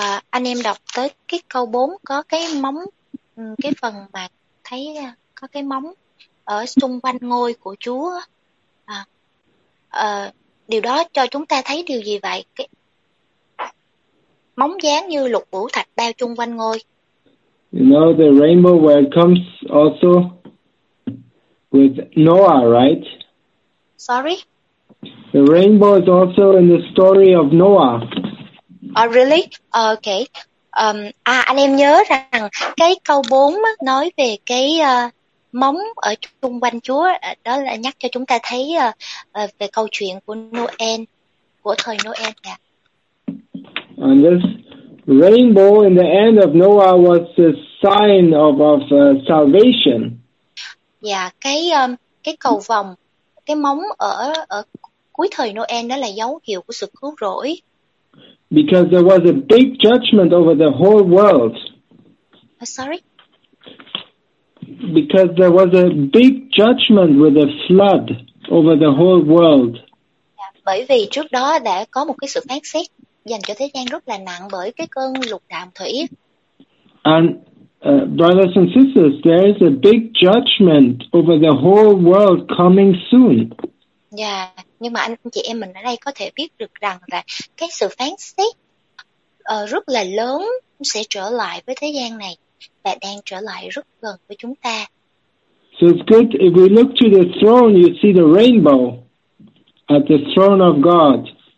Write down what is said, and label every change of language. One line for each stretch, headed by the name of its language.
Vietnamese: Anh em đọc tới cái câu 4 có cái móng, cái phần mà thấy có cái móng ở xung quanh ngôi của Chúa. Điều đó cho chúng ta thấy điều gì vậy? Cái móng dáng như lục bửu thạch bao chung quanh ngôi.
English: You know the rainbow where it comes also with Noah, right? Sorry? The rainbow is also in the story of Noah. Oh, really? Okay.
Vietnamese: Anh em nhớ rằng cái câu 4 nói về cái móng ở xung quanh Chúa, đó là nhắc cho chúng ta thấy về câu chuyện của Noel, của thời Noel.
English: Yeah. And this rainbow in the end of Noah was a sign of salvation.
Vietnamese: Yeah, cái cầu vồng, cái móng ở cuối thời Noel đó là dấu hiệu của sự cứu rỗi.
English: Because there was a big judgment over the whole world. Sorry? Because there was a big judgment with a flood over the whole world.
Vietnamese: Bởi vì trước đó đã có một cái sự phán xét dành cho thế gian rất là nặng bởi cái cơn lục đàm thủy.
English: And brothers and sisters, there is a big judgment over the whole world coming soon.
Vietnamese: Nhưng mà anh chị em mình ở đây có thể biết được rằng là cái sự phán xét rất là lớn sẽ trở lại với thế gian này. lại đang trở lại rất gần với chúng ta.
English: So it's good if we look to the throne, you see the rainbow at the throne of God.